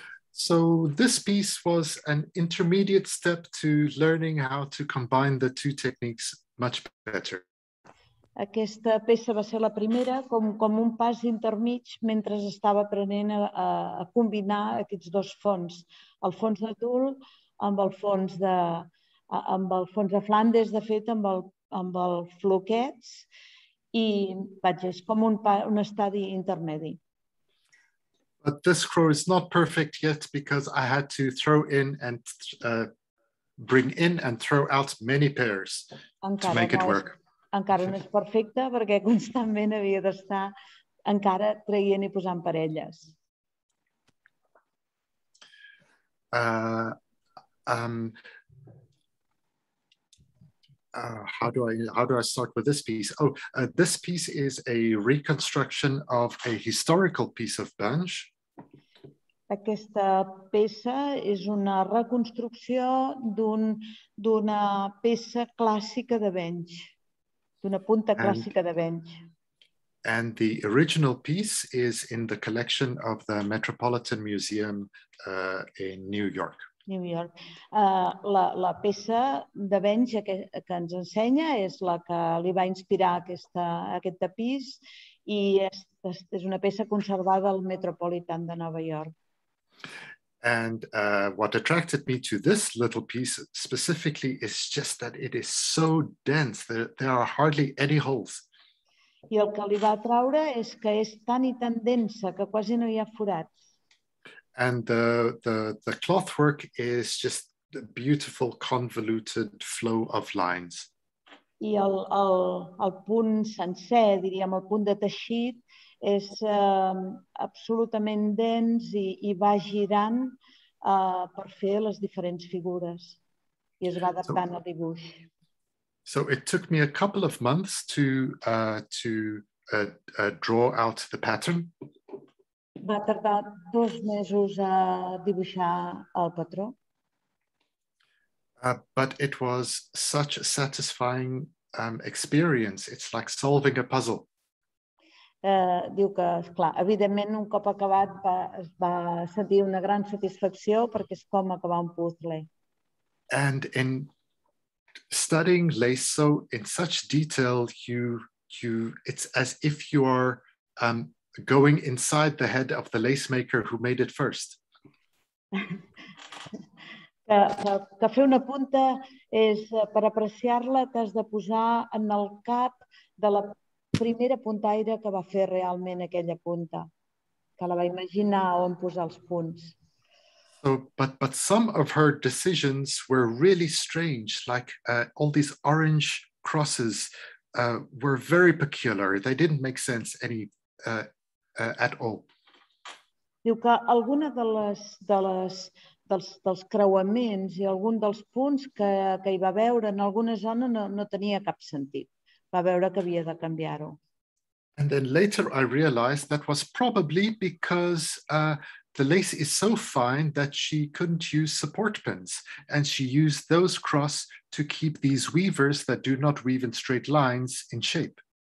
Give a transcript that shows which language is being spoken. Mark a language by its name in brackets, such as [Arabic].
[English] So this piece was an intermediate step to learning how to combine the two techniques much better. [Catalan] Aquesta peça va ser la primera com un pas intermig mentre estava aprenent a combinar aquests dos fons, el fons de tul amb el fons de Flandes, de fet amb el floquets, i vaig, és com un estadi intermedi. [English] But this crow is not perfect yet because I had to throw in and bring in and throw out many pairs [Catalan] encara [English] to make it work. [Catalan] Encara no és perfecte perquè constantment havia d'estar encara traient i posant parelles. [English] How do I start with this piece? This piece is a reconstruction of a historical piece of Benj. [Catalan] Aquesta peça és una reconstrucció d'una peça clàssica de bench, d'una punta clàssica de bench. [English] And the original piece is in the collection of the Metropolitan Museum in New York. New York. [Catalan] La peça de bench que ens ensenya és la que li va inspirar aquest tapís i és una peça conservada al Metropolitan de Nova York. [English] And what attracted me to this little piece specifically is just that it is so dense that there are hardly any holes. [Catalan] I el que li va atraure és que és tan i tan densa que quasi no hi ha forats. [English] And the cloth work is just the beautiful convoluted flow of lines. [Catalan] I el punt sencer, diríem, el punt de teixit, és absolutament dens i va girant per fer les diferents figures. I es va adaptant al dibuix. [English] So it took me a couple of months to draw out the pattern. [Catalan] Va tardar 2 mesos a dibuixar el patró. [English] But it was such a satisfying experience. It's like solving a puzzle. [Catalan] Diu que, esclar, evidentment, un cop acabat es va sentir una gran satisfacció perquè és com acabar un puzzle. [English] And in studying lace so in such detail, it's as if you are going inside the head of the lace maker who made it first. [Catalan] que fer una punta és per apreciar-la, t'has de posar en el cap de la primera puntaire que va fer realment aquella punta, que la va imaginar on posar els punts. [English] So, but some of her decisions were really strange, like all these orange crosses were very peculiar. They didn't make sense at all. [Catalan] Diu que alguna dels creuaments i algun dels punts que hi va veure en alguna zona no tenia cap sentit. Va veure que havia de canviar-ho. [English] And then later I realized that was probably because the lace is so fine that she couldn't use support pins, and she used those cross to keep these weavers that do not weave in straight lines in shape.